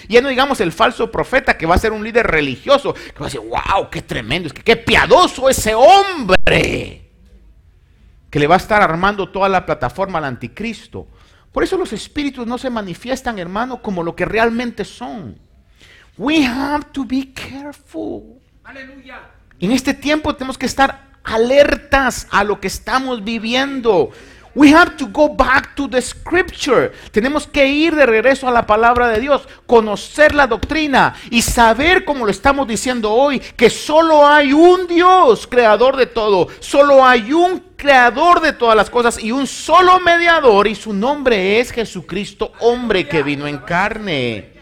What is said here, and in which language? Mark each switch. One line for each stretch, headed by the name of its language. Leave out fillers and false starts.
Spanish: Ya no digamos el falso profeta, que va a ser un líder religioso, que va a decir, wow, qué tremendo, es que qué piadoso ese hombre, que le va a estar armando toda la plataforma al anticristo. Por eso los espíritus no se manifiestan, hermano, como lo que realmente son.
English: We have to be careful.
Spanish: Aleluya. En este tiempo tenemos que estar alertas a lo que estamos viviendo.
English: We have to go back to the scripture.
Spanish: Tenemos que ir de regreso a la palabra de Dios, conocer la doctrina y saber, como lo estamos diciendo hoy, que solo hay un Dios creador de todo, solo hay un creador de todas las cosas y un solo mediador, y su nombre es Jesucristo, hombre que vino en carne.